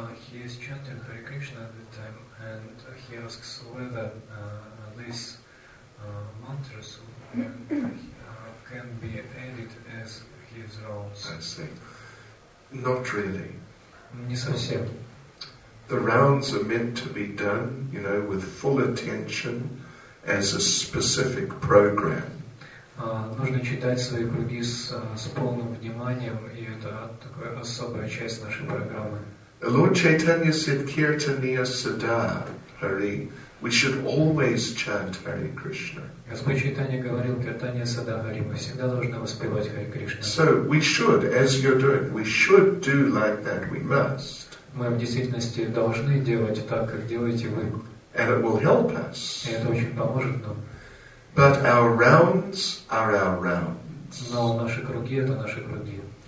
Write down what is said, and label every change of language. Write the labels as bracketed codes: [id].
[en] He is chanting Hare Krishna at the time, and he asks whether these mantras can be added as his rounds. I see. Not really. [ru] Не совсем. [en] The rounds are meant to be done, you know, with full attention as a specific program. [ru] Нужно читать свои круги с полным вниманием, и это такая особая часть нашей программы. [en] Lord Chaitanya said, "Kirtaniya Sada Hari." We should always chant Hare Krishna. [ru] Господь Чайтанья говорил, "Киртания Сада Хари." Мы всегда должны воспевать Хари Кришна. [en] So we should, as you're doing, we should do like that. We must. [ru] Мы в действительности должны делать так, как делаете вы. [en] And it will help us. [ru] И это очень поможет нам. [en] But our rounds are our rounds. [ru] Но наши круги — это наши круги.